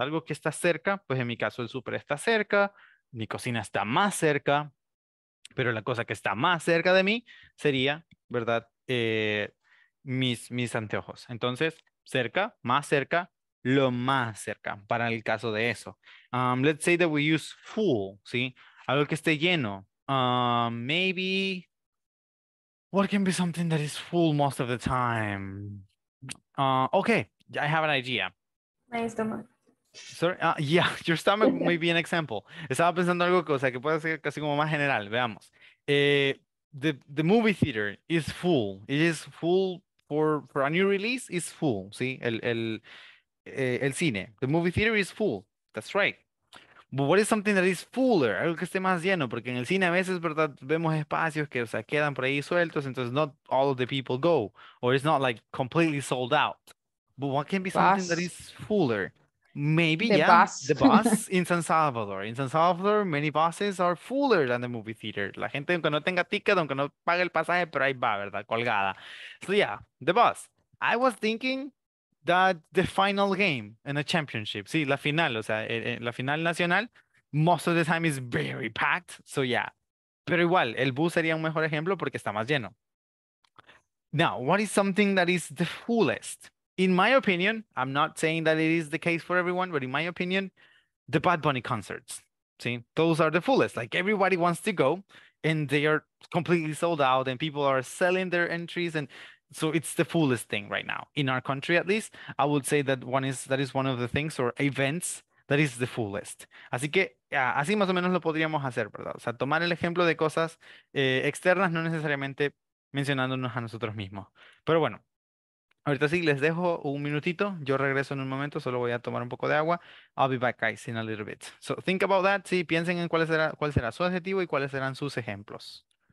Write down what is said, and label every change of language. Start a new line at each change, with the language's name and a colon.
Spanish: Algo que está cerca, pues en mi caso el súper está cerca, mi cocina está más cerca, pero la cosa que está más cerca de mí sería, ¿verdad? Mis anteojos. Entonces, cerca, más cerca, lo más cerca, para el caso de eso.
English: Let's say that we use full,
Spanish: ¿sí? Algo que esté lleno.
English: Maybe, what can be something that is full most of the time? Okay, I have an idea. My stomach. Sorry, yeah, your stomach may be an example.
Spanish: Estaba pensando algo que, o sea, que puede ser casi como más general. Veamos.
English: The movie theater is full. It is full for a new release. It's full.
Spanish: ¿Sí? El cine.
English: The movie theater is full. That's right. But what is something that is fuller?
Spanish: Algo que esté más lleno. Porque en el cine a veces, ¿verdad? Vemos espacios que, o sea, quedan por ahí sueltos. Entonces,
English: not all of the people go. Or it's not like completely sold out. But what can be something that is fuller? Maybe, the bus. The bus in San Salvador. In San Salvador, many buses are fuller than the movie theater.
Spanish: La gente, aunque no tenga ticket, aunque no pague el pasaje, pero ahí va, ¿verdad? Colgada.
English: So, yeah, the bus. I was thinking that the final game in a championship.
Spanish: Sí, la final, o sea, la final nacional,
English: most of the time is very packed. So, yeah.
Spanish: Pero igual, el bus sería un mejor ejemplo porque está más lleno.
English: Now, what is something that is the fullest? In my opinion, I'm not saying that it is the case for everyone, but in my opinion, the Bad Bunny concerts. See, those are the fullest. Like, everybody wants to go, and they are completely sold out, and people are selling their entries, and so it's the fullest thing right now in our country, at least. I would say that one of the things or events that is the fullest.
Spanish: Así que así más o menos lo podríamos hacer, ¿verdad? O sea, tomar el ejemplo de cosas externas, no necesariamente mencionándonos a nosotros mismos. Pero bueno, ahorita sí, les dejo un minutito. Yo regreso en un momento, solo voy a tomar un poco de agua.
English: I'll be back, guys, in a little bit. So think about that.
Spanish: Sí, piensen en cuál será su adjetivo y cuáles serán sus ejemplos.